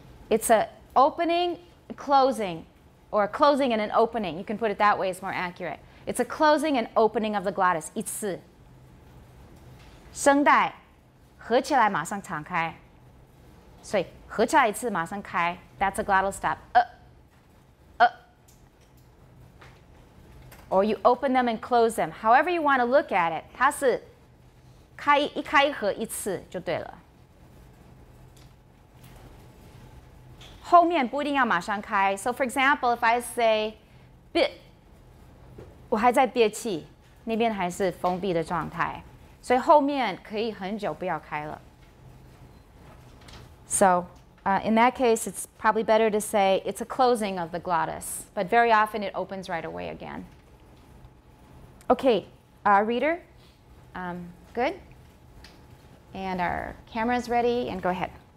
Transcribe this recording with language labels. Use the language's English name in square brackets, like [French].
[English] It's an opening, closing, or a closing and an opening. You can put it that way, it's more accurate. It's a closing and opening of the glottis. [Chinese] 一次声带合起来马上敞开，所以合起来一次马上开 [English] ，That's a glottal stop. Or you open them and close them, however you want to look at it. [Chinese] 它是开一开一合一次就对了。后面不一定要马上开。 [English] So for example, if I say, 憋， [Chinese] 我还在憋气，那边还是封闭的状态。所以后面可以很久不要开了。 [English] So, in that case, it's probably better to say it's a closing of the glottis, but very often it opens right away again. Okay, our reader, good. And our camera's ready, and go ahead.